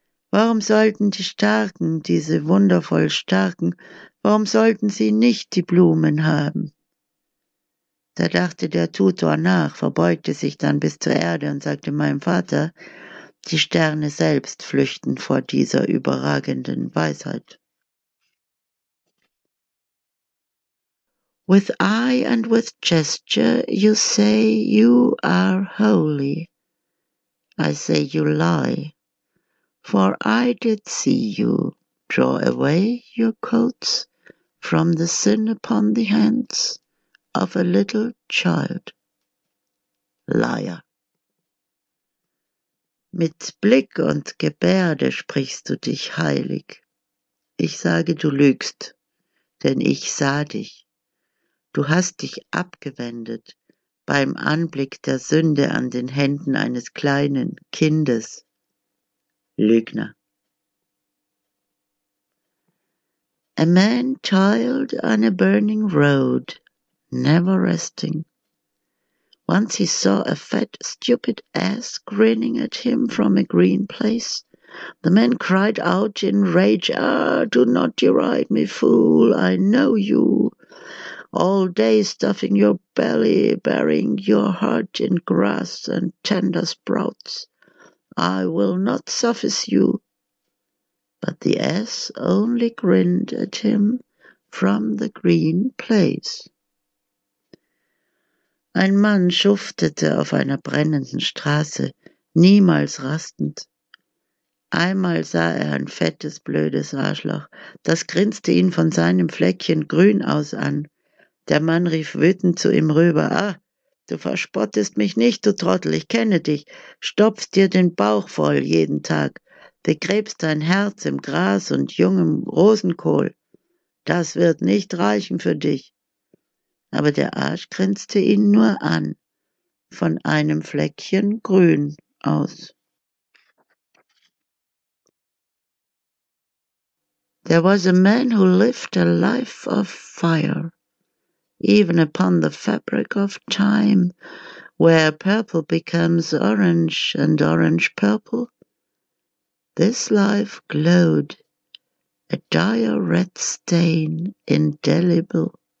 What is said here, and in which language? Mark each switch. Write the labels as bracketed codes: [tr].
[de] Warum sollten die Starken, diese wundervoll Starken, warum sollten sie nicht die Blumen haben?" Da dachte der Tutor nach, verbeugte sich dann bis zur Erde und sagte meinem Vater, "Die Sterne selbst flüchten vor dieser überragenden Weisheit." [en] With eye and with gesture you say you are holy. I say you lie. For I did see you draw away your coats from the sin upon the hands of a little child. Liar. [de] Mit Blick und Gebärde sprichst du dich heilig. Ich sage, du lügst, denn ich sah dich. Du hast dich abgewendet beim Anblick der Sünde an den Händen eines kleinen Kindes. Lügner. [en] A man toiled on a burning road, never resting. Once he saw a fat, stupid ass grinning at him from a green place. The man cried out in rage, "Ah, do not deride me, fool, I know you. All day stuffing your belly, burying your heart in grass and tender sprouts. I will not suffice you." But the ass only grinned at him from the green place. [de] Ein Mann schuftete auf einer brennenden Straße, niemals rastend. Einmal sah er ein fettes, blödes Arschloch. Das grinste ihn von seinem Fleckchen grün aus an. Der Mann rief wütend zu ihm rüber, "Ah, du verspottest mich nicht, du Trottel, ich kenne dich. Stopfst dir den Bauch voll jeden Tag. Begräbst dein Herz im Gras und jungem Rosenkohl. Das wird nicht reichen für dich. Aber der Arsch grinste ihn nur an, von einem Fleckchen grün aus. [en] There was a man who lived a life of fire, even upon the fabric of time, where purple becomes orange and orange purple. This life glowed, a dire red stain, indelible.